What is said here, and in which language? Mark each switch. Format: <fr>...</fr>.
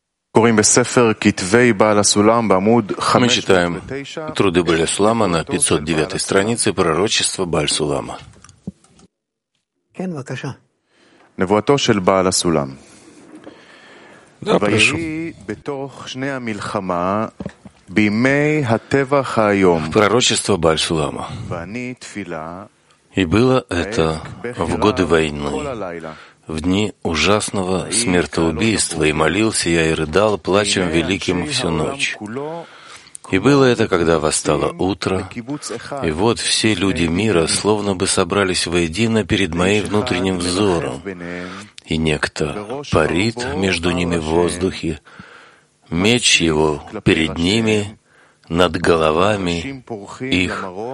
<he>קוראים בספר כתבי בעל הסולם בעמוד 509.</he> <ru>труды בעלי סולמה на 509 странице пророчество בעל סולמה.</ru> <he>כן, בבקשה. נבואתו של בעל הסולם. ויהי בתוך שני המלחמה בימי הטבח היום.</he> <ru>Пророчество בעל סולמה.</ru> <he>ואני תפילה.</he> <ru>И было это в годы войны. В дни ужасного смертоубийства, и молился я, и рыдал плачем великим всю ночь. И было это, когда восстало утро, и вот все люди мира словно бы собрались воедино перед моим внутренним взором, и некто парит между ними в воздухе, меч его перед ними, над головами их.</ru>